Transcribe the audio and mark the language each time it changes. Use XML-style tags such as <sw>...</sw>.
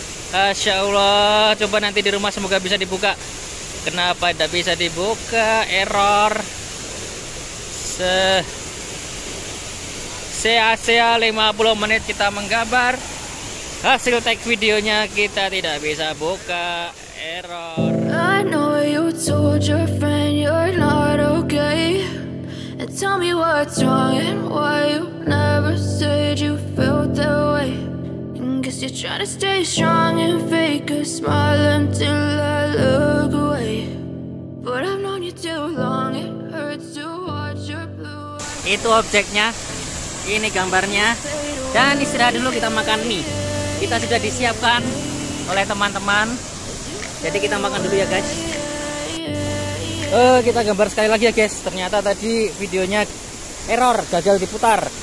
<id>Insya Allah coba nanti di rumah semoga bisa dibuka. Kenapa tidak bisa dibuka? Error. Sia-sia 50 menit kita menggambar. Hasil take videonya kita tidak bisa buka. Error.</id> <en>I know you told your friend you're not okay. And tell me what's wrong and why you never said you felt that way. And guess you're trying to stay strong and fake a smile until I look away. But I've known you too long, it hurts to watch your blue eyes.</en> <id>Itu objeknya, ini gambarnya. Dan istirahat dulu, kita makan mie. Kita sudah disiapkan oleh teman-teman. Jadi kita makan dulu ya guys. Kita gambar sekali lagi ya guys. Ternyata tadi videonya error, gagal diputar.</id>